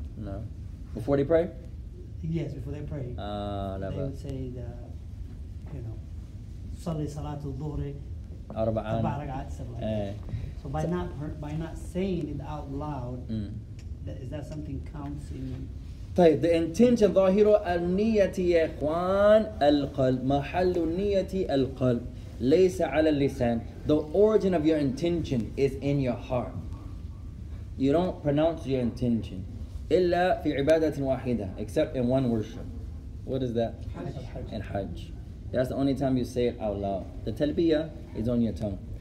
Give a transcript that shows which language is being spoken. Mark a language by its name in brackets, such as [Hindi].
[English] No. Before they pray? Yes, before they pray. Never. They would say the, you know, [Arabic] Salli Salatul Dhuhri. Arba'an. [English] So by not saying it out loud, is that something counts in? [Arabic] طيب [English] the intention [Arabic] ظاهرة النية يا إخوان القلب محل النية القلب ليس على اللسان. [English] The origin of your intention is in your heart. You don't pronounce your intention [Arabic] إلا في عبادة واحدة, [English] except in one worship. What is that? Hajj. In Hajj. That's the only time you say it out loud. The talbiyah is on your tongue.